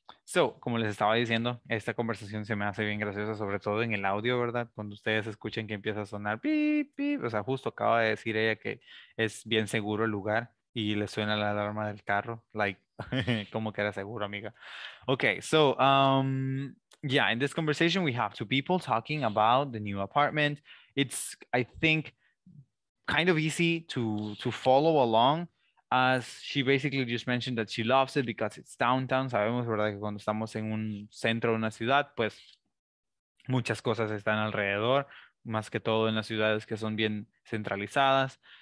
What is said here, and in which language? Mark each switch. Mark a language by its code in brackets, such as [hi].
[es] So, como les estaba diciendo, esta conversación se me hace bien graciosa, sobre todo en el audio, ¿verdad? Cuando ustedes escuchen que empieza a sonar pip, pip, o sea, justo acaba de decir ella que es bien seguro el lugar y le suena la alarma del carro, like, como que era seguro, amiga. [en] Okay, so, in this conversation we have two people talking about the new apartment. It's, I think, kind of easy to follow along. As she basically just mentioned that she loves it because it's downtown. [es] Sabemos, ¿verdad? Que cuando estamos en un centro de una ciudad, pues muchas cosas están alrededor, más que todo en las ciudades que son bien centralizadas.